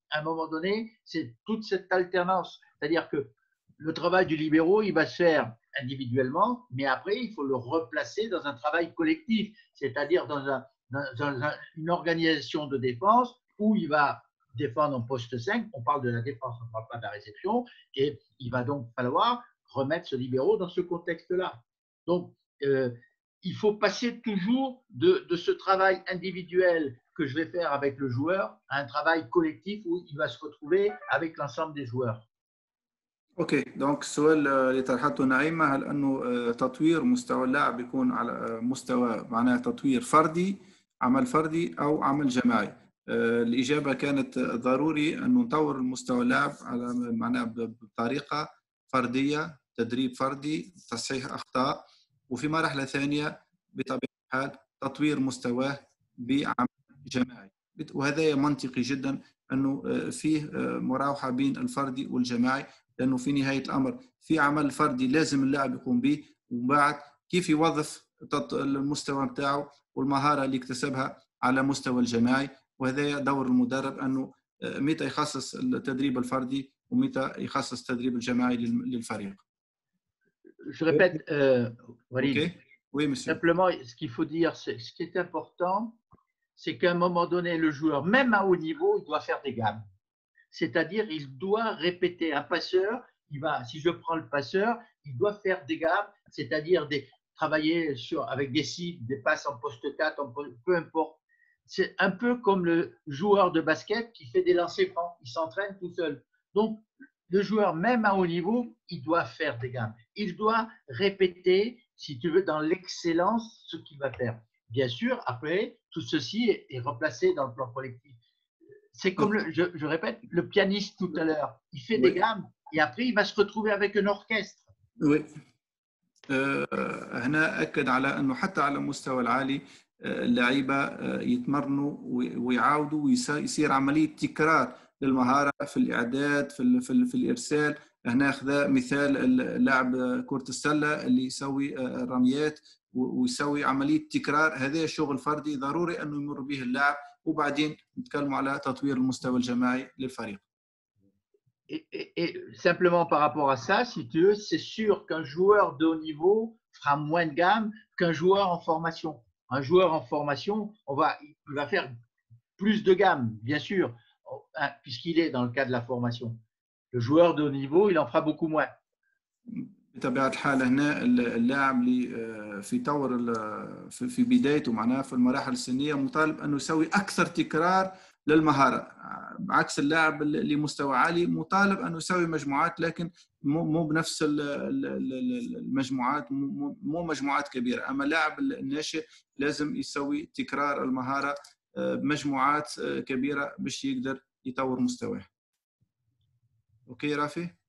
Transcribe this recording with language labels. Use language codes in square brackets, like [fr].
[fr] À un moment donné, c'est toute cette alternance. C'est-à-dire que le travail du libéro, il va se faire individuellement, mais après il faut le replacer dans un travail collectif, c'est-à-dire dans une organisation de défense où il va défendre en poste 5, on parle de la défense, on ne parle pas de la réception, et il va donc falloir remettre ce libéro dans ce contexte-là. Donc il faut passer toujours de ce travail individuel que je vais faire avec le joueur à un travail collectif où il va se retrouver avec l'ensemble des joueurs. [ar] اوكي دونك السؤال اللي طرحته نعيمه هل انه تطوير مستوى اللاعب يكون على مستوى معناه تطوير فردي عمل فردي او عمل جماعي الاجابه كانت ضروري انه نطور مستوى اللاعب على معناه بطريقه فرديه تدريب فردي تصحيح اخطاء وفي مرحله ثانيه بطبيعه الحال تطوير مستواه بعمل جماعي وهذا منطقي جدا انه فيه مراوحه بين الفردي والجماعي لانه في نهايه الامر في عمل فردي لازم اللاعب يقوم به ومن بعد كيف يوظف المستوى بتاعه والمهاره اللي اكتسبها على مستوى الجماعي وهذا دور المدرب انه متى يخصص التدريب الفردي ومتى يخصص التدريب الجماعي للفريق. [fr] Je répète, Walid. Okay. Oui, monsieur. Simplement, ce qu'il faut dire, c'est, ce qui est important, c'est qu'à un moment donné, le joueur, même à haut niveau, il doit faire des gammes. C'est-à-dire, il doit répéter un passeur. Il va, si je prends le passeur, il doit faire des gammes, c'est-à-dire des, travailler sur, avec des cibles, des passes en poste 4, en poste, peu importe. C'est un peu comme le joueur de basket qui fait des lancers francs. Il s'entraîne tout seul. Donc, le joueur, même à haut niveau, il doit faire des gammes. Il doit répéter, si tu veux, dans l'excellence, ce qu'il va faire. Bien sûr, après, tout ceci est replacé dans le plan collectif. C'est comme, je répète, le pianiste tout à l'heure. Il fait oui. des gammes et après, il va se retrouver avec un orchestre. Oui. [ar] هنا أكد على أنه حتى على المستوى العالي اللعيبة يتمرنوا ويعاودوا ويصير عملية تكرار للمهارة في الإعداد في الإرسال هنا أخذ مثال اللاعب كرة السلة اللي يسوي الرميات ويسوي عملية تكرار هذا شغل فردي ضروري أنه يمر به اللاعب وبعدين نتكلم على تطوير المستوى الجماعي للفريق [fr] Et simplement par rapport à ça, si tu veux, c'est sûr qu'un joueur de haut niveau fera moins de gamme qu'un joueur en formation. Un joueur en formation, il va faire plus de gamme, bien sûr, hein, puisqu'il est dans le cadre de la formation. Le joueur de haut niveau, il en fera beaucoup moins. [ar] بطبيعة الحال هنا اللاعب اللي في طور في بدايته معناها في المراحل السنية مطالب أنه يسوي أكثر تكرار للمهارة عكس اللاعب اللي مستوى عالي مطالب أنه يسوي مجموعات لكن مو بنفس المجموعات مو مجموعات كبيرة أما اللاعب الناشئ لازم يسوي تكرار المهارة بمجموعات كبيرة باش يقدر يطور مستواه أوكي رافي؟